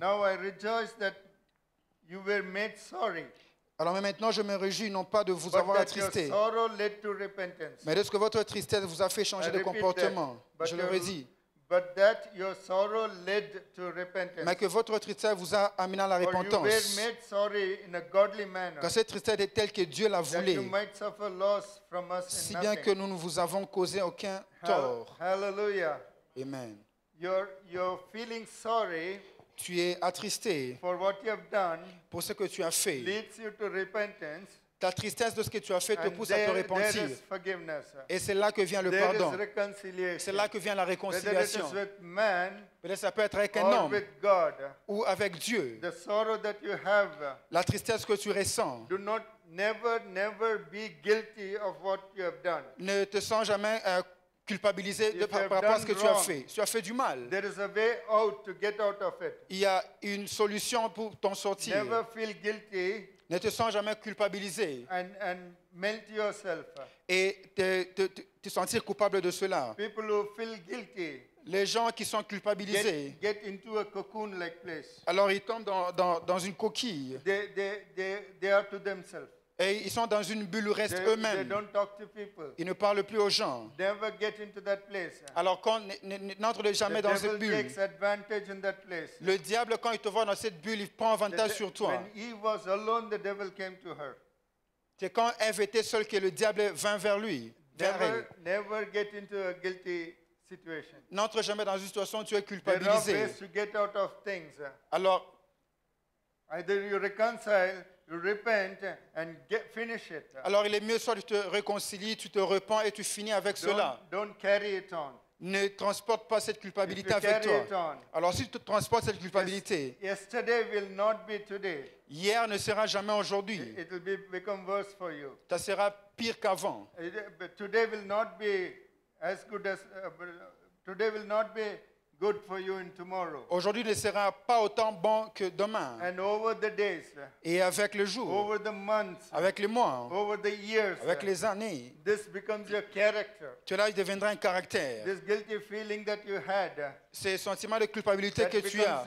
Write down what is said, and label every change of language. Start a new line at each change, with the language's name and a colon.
English: Now I rejoice that you were made sorry.
French: Alors mais maintenant je me réjouis non pas de vous avoir attristé.
English: But that your sorrow led to repentance.
French: Mais est-ce que votre tristesse vous a fait changer de comportement? Je le redis.
English: But that your sorrow led to repentance.
French: Mais que votre tristesse vous a amené à la repentance.
English: For you were made sorry in a godly manner.
French: Que cette tristesse est telle que Dieu l'a voulu.
English: That you might suffer loss from us in nothing.
French: Si bien que nous ne vous avons causé aucun tort. Hallelujah. Amen.
English: You're feeling sorry.
French: Tu es attristé.
English: For what you have done.
French: Pour ce que tu as fait.
English: Leads you to repentance.
French: Ta tristesse de ce que tu as fait te pousse à te repentir. Et c'est là que vient le
English: there
French: pardon.
English: Is
French: c'est là que vient la réconciliation. Peut-être ça peut être avec un homme
English: God,
French: ou avec Dieu.
English: The sorrow that you have,
French: la tristesse que tu ressens.
English: Do not, never be guilty of what you have done.
French: Ne te sens jamais culpabilisé par rapport à ce que tu as fait. Tu as fait du mal.
English: There is a way out to get out of it.
French: Il y a une solution pour t'en sortir.
English: Never feel guilty.
French: Ne te sens jamais culpabilisé
English: and melt yourself.
French: Et te sentir coupable de cela.
English: People who feel guilty,
French: les gens qui sont culpabilisés,
English: get into a cocoon-like place.
French: Alors ils tombent dans une coquille.
English: They are to themselves.
French: Et ils sont dans une bulle où restent eux-mêmes.
English: They don't talk to people.
French: Ils ne parlent plus aux gens.
English: Never get into that place.
French: Alors quand n'entre jamais
English: the
French: dans cette bulle.
English: Takes advantage in that place.
French: Le diable quand il te voit dans cette bulle, il prend avantage sur toi.
English: When Eve was alone, the devil came to her.
French: C'est quand Ève était seule que le diable vint vers elle.
English: Never get into a guilty situation.
French: N'entre jamais dans une situation où tu es culpabilisé.
English: There are ways to get out of things.
French: Alors,
English: either you reconcile, you repent, and get, finish it.
French: Alors, il est mieux soit tu te réconcilies, tu te repens et tu finis avec
English: don't,
French: cela.
English: Don't carry it on.
French: Ne transporte pas cette culpabilité avec toi.
English: On,
French: alors, si tu transportes cette culpabilité,
English: yesterday will not be today.
French: Hier ne sera jamais aujourd'hui.
English: It will be, become worse for you.
French: Ça sera pire qu'avant.
English: Today will not be as good as today will not be good for you in tomorrow.
French: Aujourd'hui ne sera pas autant bon que demain.
English: And over the days,
French: et avec le jour,
English: over the months,
French: avec les mois,
English: over the years,
French: avec les années,
English: this becomes your character.
French: Cela deviendra un caractère.
English: This guilty feeling that you had,
French: ce sentiment de culpabilité que tu as,